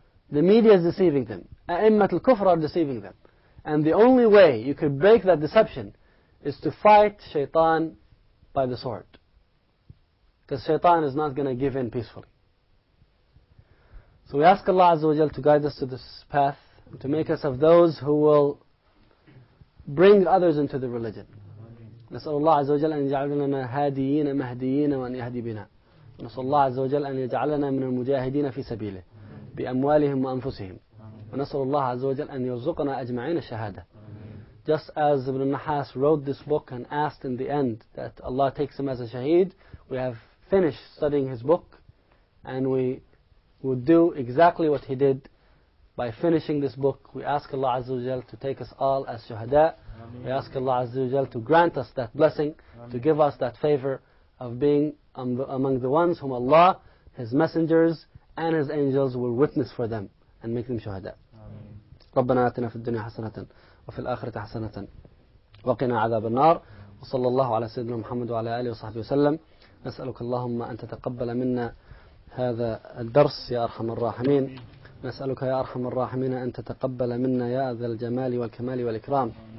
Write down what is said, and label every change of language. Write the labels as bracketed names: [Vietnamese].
[English] The media is deceiving them. A'immat al-kufr are deceiving them. And the only way you could break that deception is to fight shaitan by the sword. Because shaitan is not going to give in peacefully. So we ask Allah Azza wa Jal to guide us to this path, to make us of those who will bring others into the religion. [Arabic] نسأل الله عز وجل أن يجعلنا هاديين مهديين وأن يهدي بنا. نسأل الله عز وجل أن يجعلنا من المجاهدين في سبيله بأموالهم وأنفسهم. ونسأل الله عز وجل أن يرزقنا أجمعين الشهادة. [English] Just as Ibn Nahas wrote this book and asked in the end that Allah takes him as a shaheed, we have finished studying his book and we would do exactly what he did by finishing this book. We ask Allah عز وجل to take us all as shuhada. We ask Allah عز وجل to grant us that blessing, to give us that favor of being among the ones whom Allah, His messengers and His angels will witness for them. And make them shuhada. [Arabic] ربنا آتنا في الدنيا حسنة وفي الآخرة حسنة وقنا عذاب النار وصلى الله على سيدنا محمد وعلى آله وصحبه وسلم نسألك اللهم أن تتقبل منا هذا الدرس يا أرحم الراحمين نسألك يا أرحم الراحمين أن تتقبل منا يا ذا الجمال والكمال والإكرام